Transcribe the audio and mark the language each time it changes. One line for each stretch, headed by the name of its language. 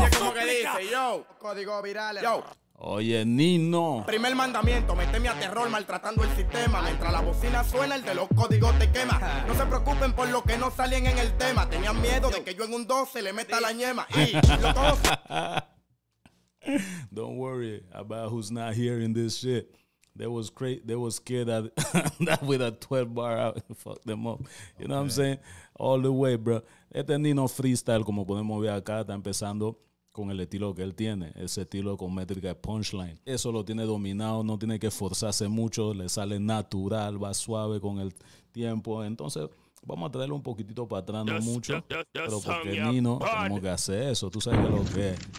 Spanish: Oye, ¿cómo que dice? Yo, código viral. Yo. Oye, Nino. Primer mandamiento, méteme a terror maltratando el sistema. Mientras la bocina suena, el de los códigos te quema. No se preocupen por lo que no salen en el tema. Tenían miedo de que yo en un 12 le meta la ñema. Y
English: don't worry about who's not hearing this shit. They was crazy. They was scared that, that with a 12 bar out, fuck them up. You know what I'm saying? All the way, bro.
Spanish: Este Nino freestyle, como podemos ver acá, está empezando con el estilo que él tiene, ese estilo con métrica de punchline. Eso lo tiene dominado, no tiene que esforzarse mucho, le sale natural, va suave con el tiempo. Entonces, vamos a traerlo un poquitito para atrás, no mucho, pero porque Nino, tenemos que hacer eso, tú sabes lo que es.